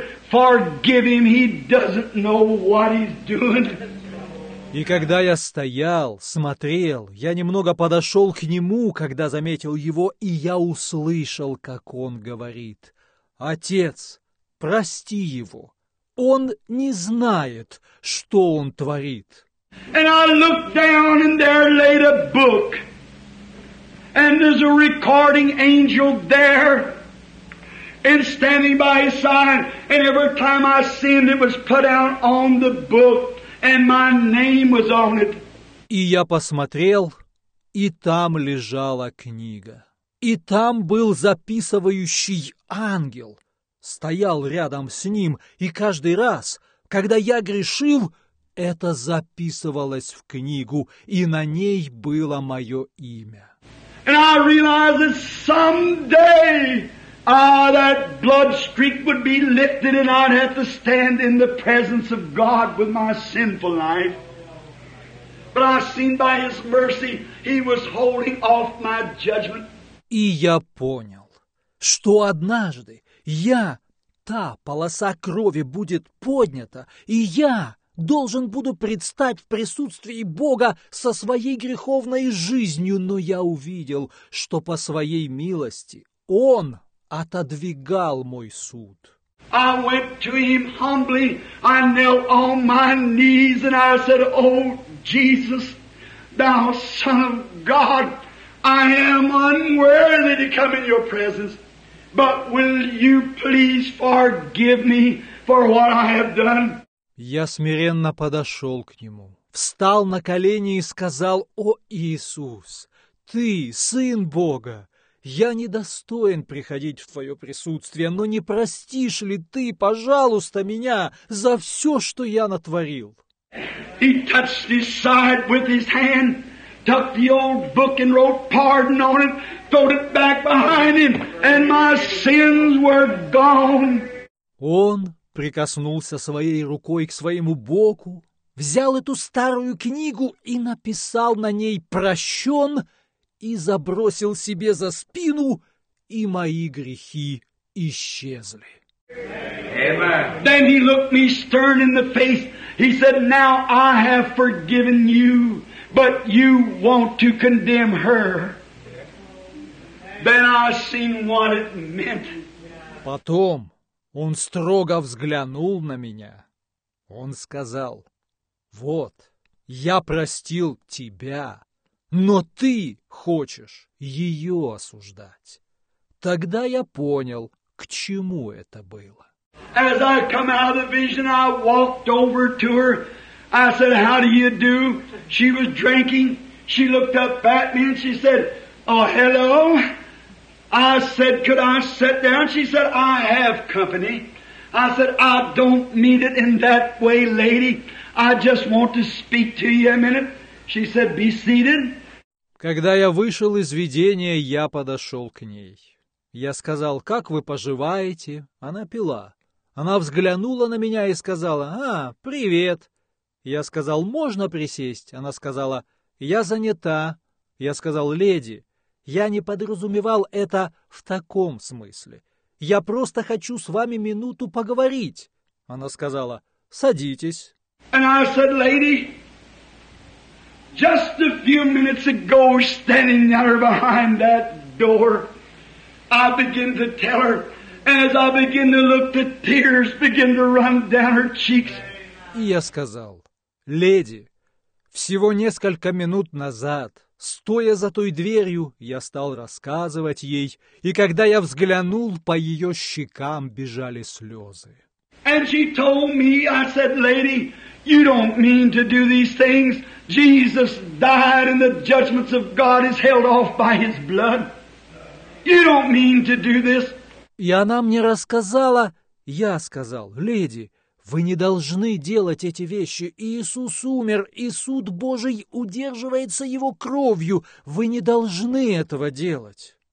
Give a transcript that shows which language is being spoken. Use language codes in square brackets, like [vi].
[en] Forgive him, he doesn't know what he's doing. [ru] И когда я стоял, смотрел, я немного подошел к нему, когда заметил его, и я услышал, как он говорит: «Отец, прости его. Он не знает, что он творит». [en] And I looked down, and there laid a book. And there's a recording angel there. And standing by his side, and every time I sinned, it was put out on the book, and my name was on it. [ru] И я посмотрел, и там лежала книга. И там был записывающий ангел. Стоял рядом с ним, и каждый раз, когда я грешил, это записывалось в книгу, и на ней было мое имя. [en] And I realized that someday... that blood streak would be lifted and I'd have to stand in the presence of God with my sinful life. But I seen by His mercy, He was holding off my judgment. [ru] И я понял, что однажды я, та полоса крови будет поднята, и я должен буду предстать в присутствии Бога со своей греховной жизнью, но я увидел, что по своей милости Он отодвигал мой суд. [en] I went to him humbly. I knelt on my knees and I said, Oh, Jesus, thou Son of God, I am unworthy to come in your presence. But will you please forgive me for what I have done? [ru] Я смиренно подошел к нему, встал на колени и сказал, О, Иисус, Ты, Сын Бога, я недостоин приходить в Твое присутствие, но не простишь ли Ты, пожалуйста, меня за все, что я натворил? [en] He touched his side with his hand, took the old book and wrote pardon on it, threw it back behind him, and my sins were gone. [ru] Он прикоснулся своей рукой к своему боку, взял эту старую книгу и написал на ней «Прощен», и забросил себе за спину, и мои грехи исчезли. [en] Then he looked me stern in the face. He said, Now I have forgiven you, but you want to condemn her. Then I seen what it meant. [ru] Потом он строго взглянул на меня. Он сказал, Вот, я простил тебя. Но ты хочешь ее осуждать. Тогда я понял, к чему это было. [en] As I come out of the vision, I walked over to her. I said, "How do you do?" She was drinking. She looked up at me and she said, "Oh, hello." I said, "Could I sit down?" She said, "I have company." I said, "I don't mean it in that way, lady. I just want to speak to you a minute." She said, "Be seated." [ru] Когда я вышел из видения, я подошел к ней. Я сказал, «Как вы поживаете?» Она пила. Она взглянула на меня и сказала, «А, привет!» Я сказал, «Можно присесть?» Она сказала, «Я занята!» Я сказал, «Леди, я не подразумевал это в таком смысле. Я просто хочу с вами минуту поговорить!» Она сказала, «Садитесь!» [en] And I said, «Lady, just a few minutes ago, standing there behind that door, I begin to tell her, as I begin to look, the tears begin to run down her cheeks». [ru] И я сказал, «Леди, всего несколько минут назад, стоя за той дверью, я стал рассказывать ей, и когда я взглянул, по ее щекам бежали слезы». [en] And she told me, I said, "Lady, you don't mean to do these things. Jesus died and the judgments of God is held off by his blood. You don't mean to do this." [ru] И она мне рассказала, я сказал, «Леди, вы не должны делать эти вещи. Иисус умер, и суд Божий удерживается его кровью. Вы не должны этого делать».